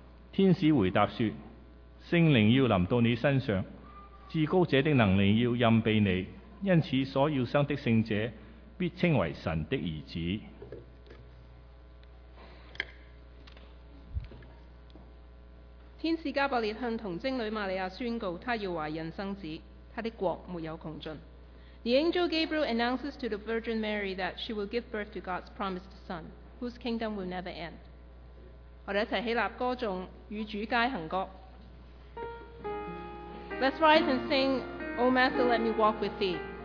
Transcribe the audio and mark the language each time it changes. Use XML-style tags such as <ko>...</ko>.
<zh>天使回答说：圣灵要临到你身上，至高者的能力要任备你，因此所要生的圣者必称为神的儿子。天使加百列向童贞女玛利亚宣告，她要怀孕生子，她的国没有穷尽。</zh> <en>The angel Gabriel announces to the Virgin Mary that she will give birth to God's promised son, whose kingdom will never end.</en> <zh>我们一起起立歌颂与主偕行歌。</zh> <en>Let's rise and sing, O Master, let me walk with thee.</en>